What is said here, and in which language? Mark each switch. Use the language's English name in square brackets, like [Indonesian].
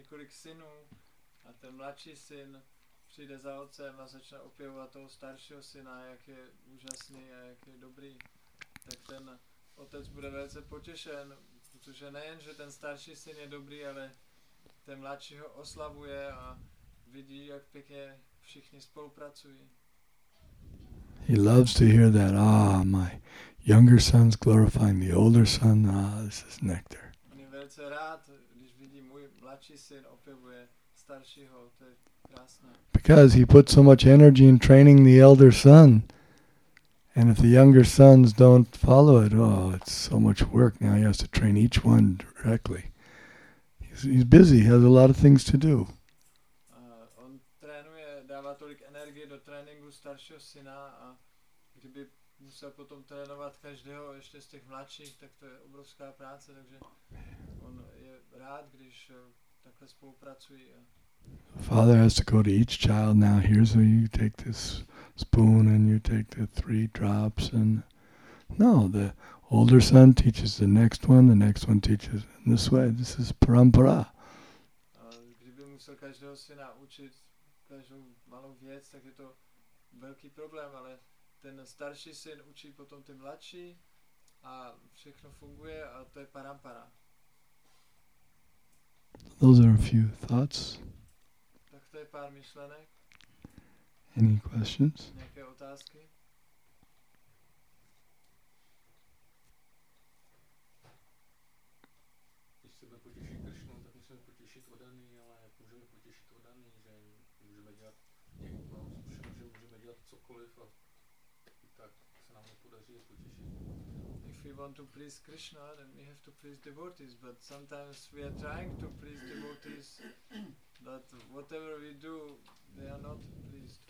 [Czech] Synu a ten mladší syn přijde za otcem a začne opěvovat toho staršího syna, jak je úžasný a jak je dobrý. Tak ten otec bude velice potěšen, protože nejen, že ten starší syn je dobrý, ale ten mladší ho oslavuje a vidí, jak pěkně všichni spolupracují. [English] He loves to hear that. Ah, my younger son's glorifying the older son. Ah, this is nectar. [Czech] On je velice rád, když vidí můj mladší syn opěvuje staršího, to je krásné. [English] Because he put so much energy in training the elder son. And if the younger sons don't follow it, oh, it's so much work. Now he has to train each one directly. He's busy, he has a lot of things to do. [Czech] On trénuje, dává tolik energie do tréninku staršího syna a kdyby musel potom trénovat každého ještě z těch mladších, tak to je obrovská práce, takže on je rád, když takhle spolupracují. [English] Father has to go to each child now. Here's where you take this spoon and you take the 3 drops. And no, the older son teaches the next one teaches in this way. This is parampara. [Czech] Kdyby musel každého syna učit každou malou věc, tak je to velký problém, ale ten starší syn učí potom ty mladší a všechno funguje a to je parampara. [English] Those are a few thoughts. [Czech] Tak to je pár myšlenek. [English] Any questions? [Czech] Nějaké otázky? Když chceme potěšit Krishnu, tak musíme potěšit oddaný, ale můžeme potěšit oddaný, že můžeme dělat někdo, že můžeme dělat cokoliv a tak se nám nepodaří je potěšit. [English] If we want to please Krishna, then we have to please devotees, but sometimes we are trying to please devotees, but whatever we do, they are not pleased.